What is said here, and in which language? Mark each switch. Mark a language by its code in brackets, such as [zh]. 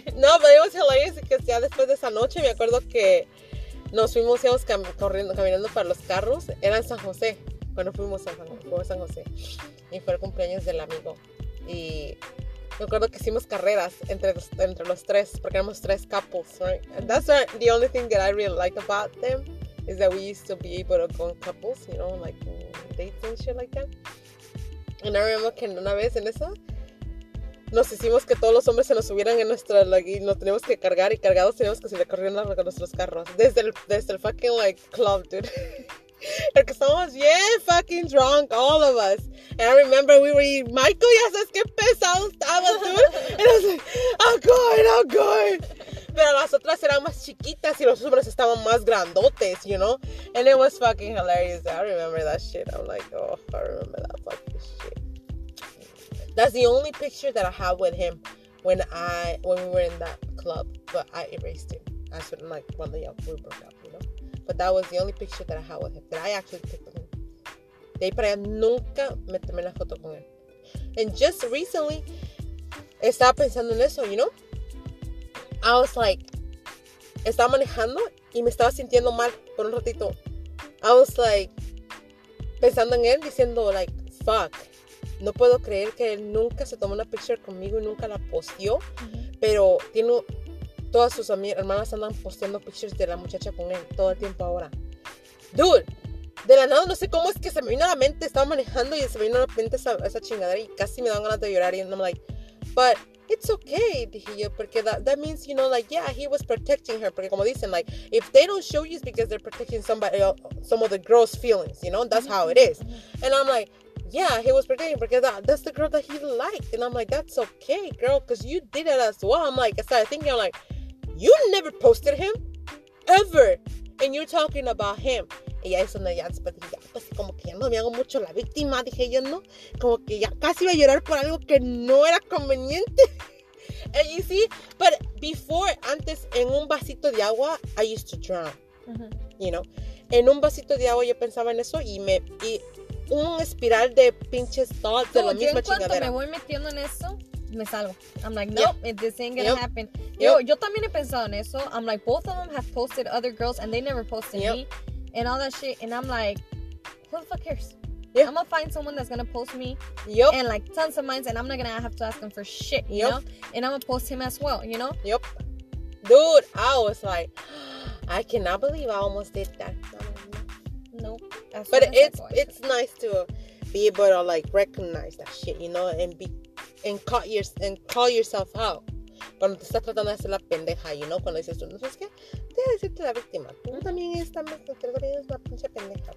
[es] No, pero íbamos a leer que ya después de esa noche me acuerdo que nos fuimos, íbamos caminando para los carros. Era en San José. Cuando fuimos a San José. Y fue el cumpleaños del amigo. Y me acuerdo que hicimos carreras entre los tres, porque éramos tres [en] couples, right? And that's what, the only thing that I really like about them is that we used to be able to go in couples, you know, like dates and shit like that. And I remember [es] que una vez en eso nos hicimos que todos los hombres se nos subieran en nuestra, like, y nos teníamos que cargar, y cargados teníamos que salir corriendo a nuestros carros. Desde el [en] fucking, like, club, dude. [es] Porque estábamos bien [en] fucking drunk, all of us. And I remember we were eating. Michael, [es] ya sabes qué pesado estaba, [en] dude. And I was like, I'm going. [es] Pero las otras eran más chiquitas y los hombres estaban más grandotes, you know. [en] And it was fucking hilarious. I remember that shit. I'm like, oh, I remember that fucking shit. That's the only picture that I have with him when we were in that club. But I erased it. I said, like, one day we broke up, you know. But that was the only picture that I had with him. That I actually took with him. [es] De ahí para allá, nunca me tomé la foto con él. [en] And just recently, [es] estaba pensando en eso, you know? [en] I was like, [es] estaba manejando y me estaba sintiendo mal por un ratito. [en] I was like, [es] pensando en él, diciendo, [en] like, fuck. [es] No puedo creer que él nunca se tomó una picture conmigo y nunca la posteó. Mm-hmm. Pero tiene... Todas sus hermanas andan posteando pictures de la muchacha con él todo el tiempo ahora. Dude, de la nada, no sé cómo es que se me vino a la mente. Estaba manejando y se me vino a la mente esa chingadera y casi me dan ganas de llorar. Y [en] I'm like, but it's okay, [es] dije yo, porque [en] that means, you know, like, yeah, he was protecting her. [es] Porque como dicen, [en] like, if they don't show you, it's because they're protecting somebody, some of the girl's feelings, you know, that's how it is. And I'm like, yeah, he was pretending because that's the girl that he liked. And I'm like, that's okay, girl, because you did it as well. I'm like, I started thinking, I'm like, you never posted him, ever. And you're talking about him. [es] Y ahí es donde ya después dije, pues como que ya no me hago mucho la víctima. Dije yo, ¿no? Como que ya casi iba a llorar por algo que no era conveniente. [en] And you see, but before, antes, [es] en un vasito de agua, [en] I used to drown. [es] Uh-huh. You know, en un vasito de agua yo pensaba en eso y me, y un espiral de pinches thoughts, so, de la misma chingadera. Cuando me voy metiendo en eso, me salgo. [en] I'm like, nope, yep. This ain't gonna yep. happen. Yep. [es] Yo, yo también he pensado en eso. [en] I'm like, both of them have posted other girls and they never posted yep. me and all that shit. And I'm like, who the fuck cares? Yep. I'm gonna find someone that's gonna post me yep. and like tons of mines, and I'm not gonna have to ask them for shit, you yep. know? And I'm gonna post him as well, you know? Yep. Dude, I was like, I cannot believe I almost did that. Nope. But it's nice to be able to like recognize that shit, you know, and be and cut your and call yourself out. [es] Cuando te estás tratando de hacer la pendeja, you know, cuando dices tú, no sabes qué, deja de decirte la víctima. Tú también estás, creo que eres una pinche pendeja.